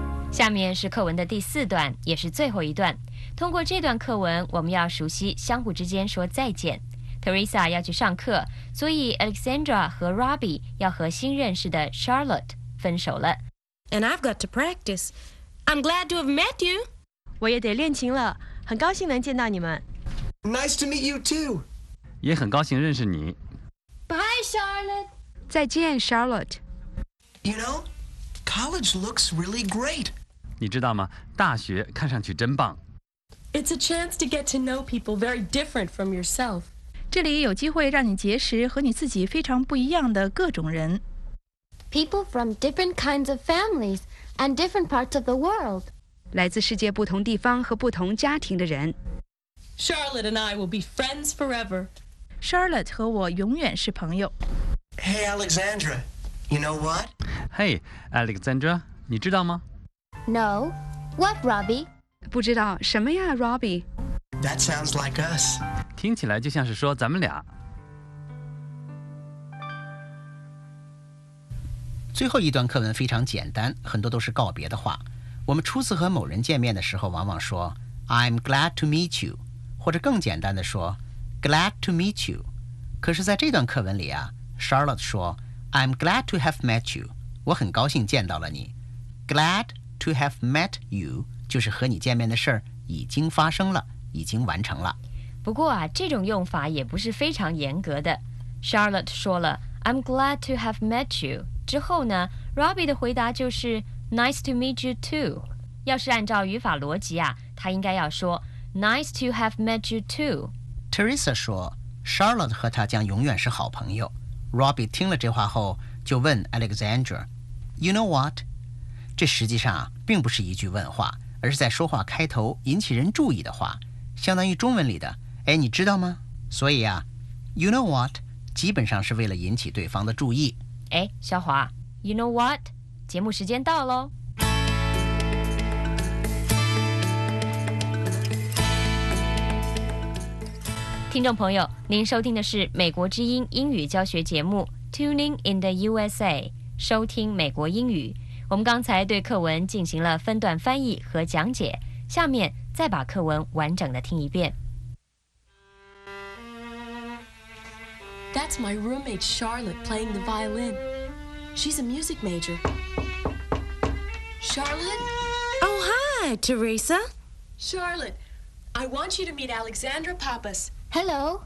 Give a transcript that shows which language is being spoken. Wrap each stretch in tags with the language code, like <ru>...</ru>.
<zh>下面是课文的第四段也是最后一段通过这段课文我们要熟悉相互之间说再见 Teresa 要去上课所以 Alexandra 和 Robbie 要和新认识的 Charlotte 分手了</zh> <en>And I've got to practice I'm glad to have met you</en> <zh>我也得练琴了很高兴能见到你们</zh> <en>Nice to meet you too</en> <zh>也很高兴认识你</zh> <en>Bye Charlotte</en> <zh>再见 Charlotte</zh> <en>You knowCollege looks really great.</en> <zh>你知道吗？大学看上去真棒。</zh> <en>It's a chance to get to know people very different from yourself.</en> <zh>这里有机会让你结识和你自己非常不一样的各种人。</zh> <en>People from different kinds of families and different parts of the world.</en> <zh>来自世界不同地方和不同家庭的人。</zh> <en>Charlotte and I will be friends forever.</en> <zh>Charlotte 和我永远是朋友。</zh> <en>Hey, Alexandra. You know what?</en> <zh>Hey, Alexandra, 你知道吗</zh> <en>No. What, Robbie?</en> <zh>不知道什么呀 Robbie?</zh> <en>That sounds like us.</en> <zh>听起来就像是说咱们俩。最后一段课文非常简单，很多都是告别的话。我们初次和某人见面的时候，往往说</zh> <en>I'm glad to meet you，</en> <zh>或者更简单的说</zh> <en>Glad to meet you。</en> <zh>可是在这段课文里啊 ，Charlotte 说。</zh> <en>I'm glad to have met you.</en> <zh>我很高兴见到了你。</zh> <en>Glad to have met you</en> <zh>就是和你见面的事儿已经发生了，已经完成了。不过啊，这种用法也不是非常严格的。 Charlotte 说了</zh> <en>I'm glad to have met you</en> <zh>之后呢 ，Robbie 的回答就是</zh> <en>Nice to meet you too.</en> <zh>要是按照语法逻辑啊，他应该要说</zh> <en>Nice to have met you too.</en> <zh>Teresa 说 ，Charlotte 和他将永远是好朋友。 Robbie 听了这话后就问 Alexandra</zh> <en>You know what?</en> <zh>这实际上并不是一句问话而是在说话开头引起人注意的话相当于中文里的哎，你知道吗所以啊</zh> <en>You know what?</en> <zh>基本上是为了引起对方的注意哎，小华</zh> <en>You know what?</en> <zh>节目时间到咯听众朋友，您收听的是美国之音英语教学节目 Tuning in the USA， 收听美国英语。我们刚才对课文进行了分段翻译和讲解，下面再把课文完整的听一遍。</zh> <en>That's my roommate Charlotte playing the violin. She's a music major. Charlotte? Oh, hi, Teresa. Charlotte, I want you to meet Alexandra Pappas. Hello.</en>